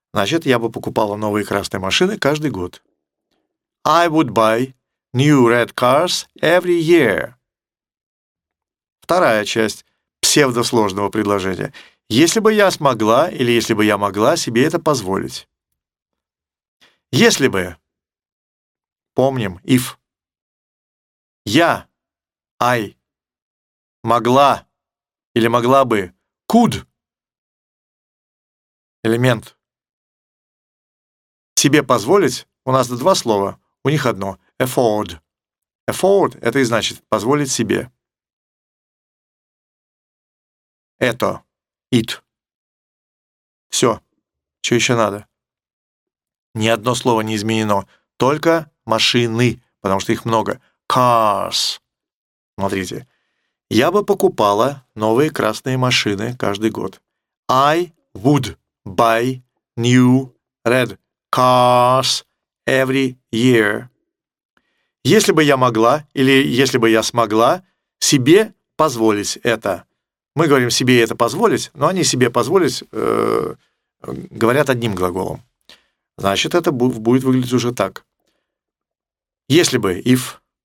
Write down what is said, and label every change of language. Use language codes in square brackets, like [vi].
[ru] Значит, я бы покупала новые красные машины каждый год. [en] I would buy new red cars every year. [ru] Вторая часть псевдосложного предложения. Если бы я смогла или если бы я могла себе это позволить. Если бы. Помним, if. Я, I, могла или могла бы, could, элемент, себе позволить, у нас два слова, у них одно, afford. Afford — это и значит позволить себе. Это, it. Все, что еще надо? Ни одно слово не изменено, только машины, потому что их много. Cars. Смотрите. Я бы покупала новые красные машины каждый год. [en] I would buy new red cars every year. [ru] Если бы я могла или если бы я смогла себе позволить это. Мы говорим себе это позволить, но они себе позволить говорят одним глаголом. Значит, это будет выглядеть уже так. Если бы, if...